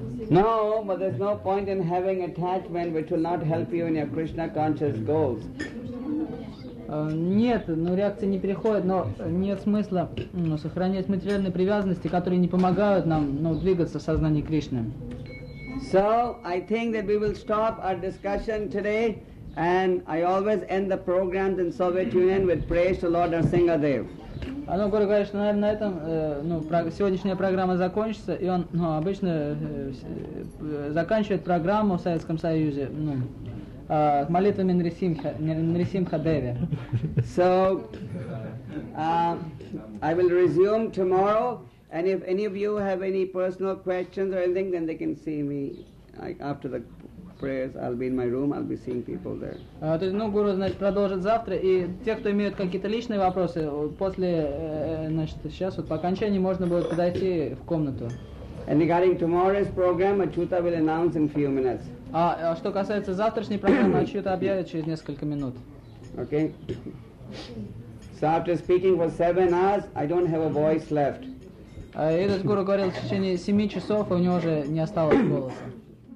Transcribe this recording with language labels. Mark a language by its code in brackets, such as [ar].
[en] No, but there's no point in having attachment which will not help you in your Krishna conscious goals. [ru] Нет, но реакции не приходят, но нет смысла сохранять материальные привязанности, которые не помогают нам двигаться в сознании Кришны. [en] So, I think that we will stop our discussion today, and I always end the programs in Soviet Union with praise to Lord Narasimha Dev. [ru] Оно говорит, что на этом сегодняшняя программа закончится, и он обычно заканчивает программу в Советском Союзе молитвами Нарисимха Деви. [en] So, I will resume tomorrow. And if any of you have any personal questions or anything, then they can see me. Like after the prayers, I'll be in my room. I'll be seeing people there. [ru] То есть, ну, гуру, значит, продолжит завтра. И те, кто имеют какие-то личные вопросы, после, значит, сейчас вот по окончании можно будет подойти в комнату. [en] And regarding tomorrow's program, Achyuta will announce in few minutes. [ru] А что касается завтрашней программы, Achyuta объявит через несколько минут. [en] Okay. So after speaking for 7 hours, I don't have a voice left. [ru] Этот гуру говорил в течение 7 часов, и у него уже не осталось голоса.